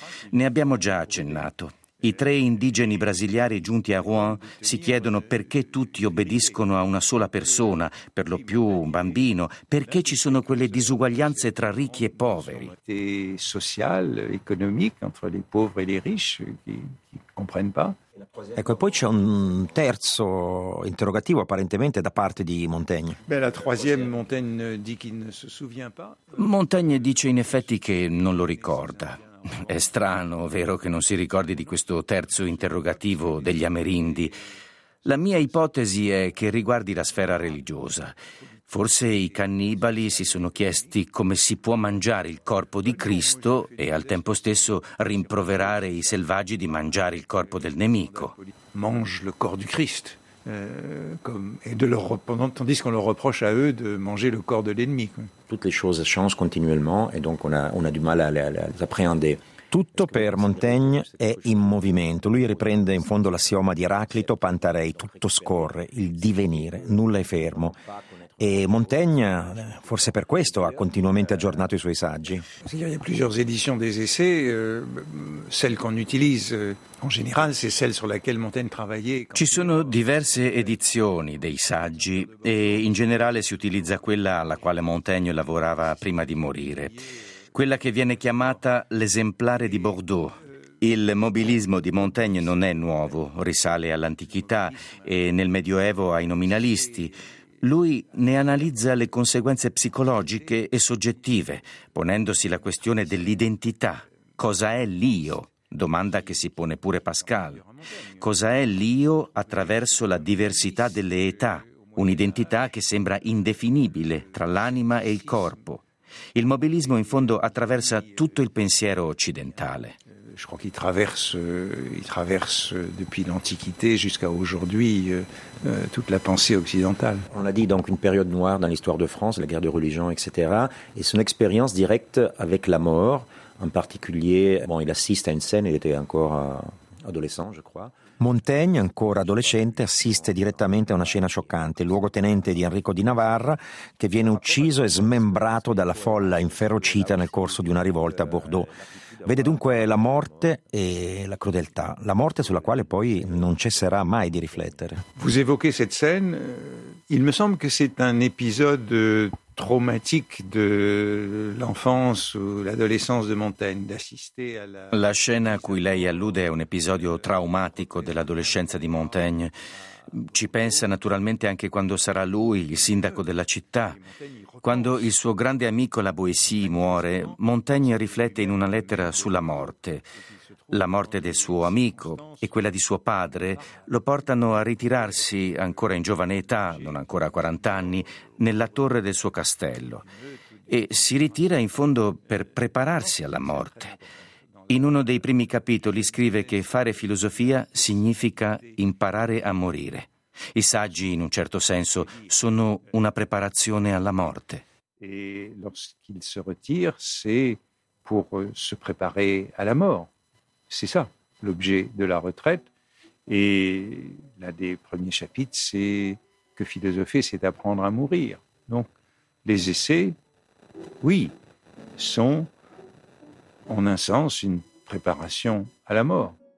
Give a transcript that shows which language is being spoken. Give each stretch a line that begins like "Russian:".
Italian: Ne abbiamo già accennato. I tre indigeni brasiliani giunti a Rouen si chiedono perché tutti obbediscono a una sola persona, per lo più un bambino, perché ci sono quelle disuguaglianze tra ricchi e poveri. Sociale, economica, tra i poveri e i ricchi, che non comprendono. Ecco, e poi c'è un terzo interrogativo apparentemente da parte di Montaigne.
French: La troisième, Montaigne dit qu'il ne se souvient pas.
Italian: Montaigne dice in effetti che non lo ricorda. È strano, vero, che non si ricordi di questo terzo interrogativo degli Amerindi. La mia ipotesi è che riguardi la sfera religiosa. Forse i cannibali si sono chiesti come si può mangiare il corpo di Cristo e al tempo stesso rimproverare i selvaggi di mangiare il corpo del nemico.
French: Mange le corps du Christ. Tandis qu'on leur reproche à eux de manger le corps de l'ennemi. Toutes les choses changent continuellement et donc on a du mal à les appréhender.
Italian: Tutto per Montaigne è in movimento. Lui riprende in fondo l'assioma di Eraclito, Pantarei, tutto scorre, il divenire, nulla è fermo. E Montaigne, forse per questo, ha continuamente aggiornato i suoi saggi.
French: Il y a plusieurs éditions des essais, celle qu'on utilise en général, c'est celle sur laquelle Montaigne travaillait.
Italian: Ci sono diverse edizioni dei saggi e in generale si utilizza quella alla quale Montaigne lavorava prima di morire. Quella che viene chiamata l'esemplare di Bordeaux. Il mobilismo di Montaigne non è nuovo, risale all'antichità e nel Medioevo ai nominalisti. Lui ne analizza le conseguenze psicologiche e soggettive, ponendosi la questione dell'identità. Cosa è l'io? Domanda che si pone pure Pascal. Cosa è l'io attraverso la diversità delle età? Un'identità che sembra indefinibile tra l'anima e il corpo. Il mobilismo in fondo attraversa tutto il pensiero occidentale.
French: Je crois qu'il traverse depuis l'Antiquité jusqu'à aujourd'hui toute la pensée occidentale. On a dit donc une période noire dans l'histoire de France, la guerre de religion, etc. Et son expérience directe avec la mort, en particulier, bon, il assiste à une scène, il était encore adolescent, je crois.
Italian: Montaigne, ancora adolescente, assiste direttamente a una scena scioccante. Il luogotenente di Enrico di Navarra, che viene ucciso e smembrato dalla folla inferocita nel corso di una rivolta a Bordeaux. Vede dunque la morte e la crudeltà, la morte sulla quale poi non cesserà mai di riflettere.
French: Vous évoquez cette scène, il me semble que c'est un épisode traumatique de l'enfance ou l'adolescence de Montaigne d'assister à
Italian: la scena a cui lei allude è un episodio traumatico dell'adolescenza di Montaigne. Ci pensa naturalmente anche quando sarà lui il sindaco della città. Quando il suo grande amico La Boétie muore, Montaigne riflette in una lettera sulla morte. La morte del suo amico e quella di suo padre lo portano a ritirarsi ancora in giovane età, non ancora 40 anni, nella torre del suo castello. E si ritira in fondo per prepararsi alla morte. In uno dei primi capitoli scrive che fare filosofia significa imparare a morire. I saggi, in un certo senso, sono una preparazione alla morte.
French: E lorsqu'il se retire, c'est pour se préparer à la mort. C'est ça, l'objet de la retraite. Et l'un des premiers chapitres, c'est que philosopher, c'est apprendre à mourir. Donc, les essais, oui, sont en un sens une préparation à la mort.